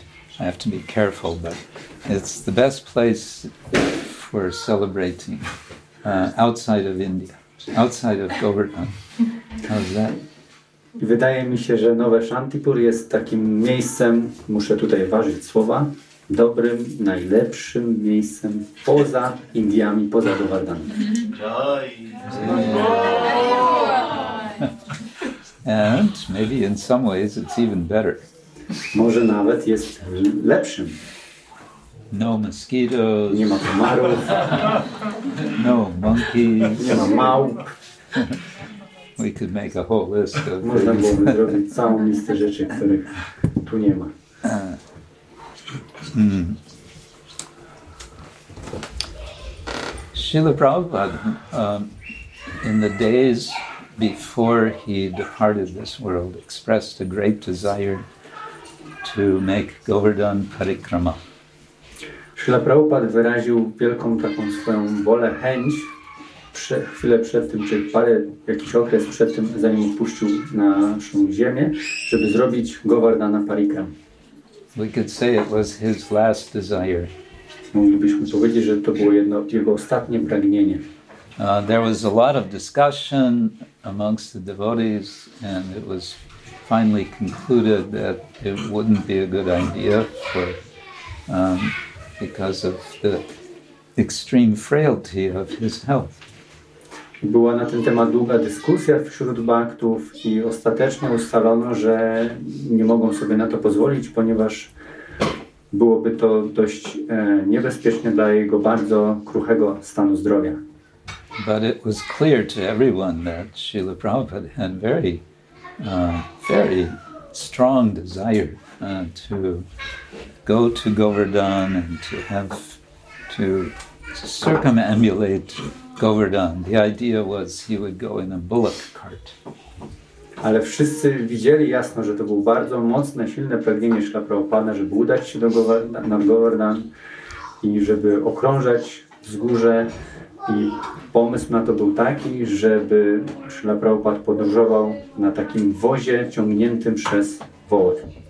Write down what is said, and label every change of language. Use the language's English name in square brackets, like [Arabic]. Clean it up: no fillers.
[English] I have to be careful, but it's the best place for celebrating outside of India, outside of Govardhan. How's that? [Polish] Wydaje mi się, że Nowe Shantipur jest takim miejscem, muszę tutaj ważyć słowa, dobrym, najlepszym miejscem poza Indiami, poza Govardhanem. [English] And maybe in some ways it's even better. [Polish] Może nawet jest lepszym. [English] No mosquitoes. [Polish] Nie ma komarów. [English] No monkeys. [Polish] Nie ma małp. [English] We could make a whole list of things. [Polish] Można byłoby zrobić całą listę rzeczy, których tu nie ma. [English] Srila Prabhupada, in the days before he departed this world, expressed a great desire to make Govardhan Parikrama. [Polish] Srila Prabhupada wyraził wielką taką swoją wolę, chęć chwilę przed tym, czy parę, jakiś okres przed tym, zanim opuścił naszą ziemię, żeby zrobić Govardhana Parikrama. [English] We could say it was his last desire. [Polish] Moglibyśmy powiedzieć, że to było jedno jego ostatnie pragnienie. [English] There was a lot of discussion amongst the devotees, and it was finally concluded that it wouldn't be a good idea for, because of the extreme frailty of his health. [Polish] Była na ten temat długa dyskusja wśród bhaktów i ostatecznie ustalono, że nie mogą sobie na to pozwolić, ponieważ byłoby to dość niebezpieczne dla jego bardzo kruchego stanu zdrowia. [English] But it was clear to everyone that Srila Prabhupada had very, very strong desire to go to Govardhan and to have to circumambulate Govardhan. The idea was he would go in a bullock cart. [Polish] Ale wszyscy widzieli jasno, że to było bardzo mocne, silne pragnienie Śrila Prabhupada, żeby udać się do Govardhan i żeby okrążać wzgórze. I pomysł na to był taki, żeby Śrila Prabhupada podróżował na takim wozie ciągniętym przez woły.